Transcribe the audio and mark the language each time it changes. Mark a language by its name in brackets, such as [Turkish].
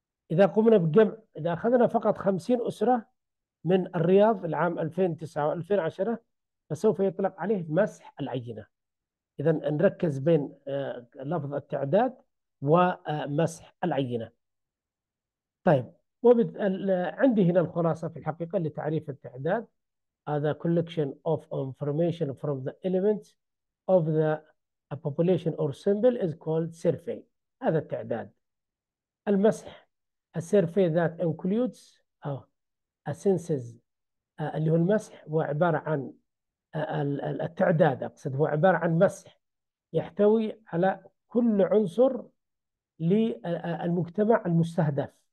[Arabic] إذا قمنا بجمع، إذا أخذنا فقط 50 أسرة من الرياض العام 2009 و2010، فسوف يطلق عليه مسح العينة. إذا نركز بين لفظ التعداد ومسح العينة. طيب، عندي هنا الخلاصة في الحقيقة لتعريف التعداد: [English] the collection of information from the elements of the population or symbol is called survey. [Arabic] هذا التعداد. المسح: [English] a survey that includes a census [Arabic] اللي هو المسح، هو عبارة عن التعداد، أقصد هو عبارة عن مسح يحتوي على كل عنصر للمجتمع المستهدف.